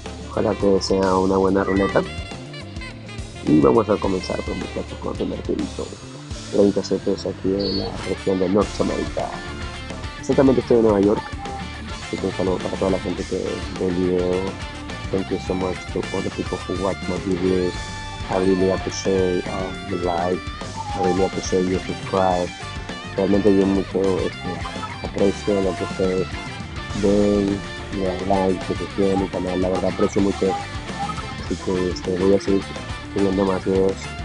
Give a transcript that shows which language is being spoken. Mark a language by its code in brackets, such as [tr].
[es] Ojalá que sea una buena ruleta. Y vamos a comenzar con mi plato con el mercadito. 30 CPS aquí en la región de Norteamérica. Exactamente estoy en Nueva York. Así que un saludo para toda la gente que ve el video. [en] Thank you so much to all the people who watch my videos. I really appreciate the like. I really appreciate your subscribe. [es] Realmente yo mucho aprecio lo que ustedes ven. Le dan like, se suscriben a mi canal. La verdad aprecio mucho. Así que voy a seguir viendo más videos.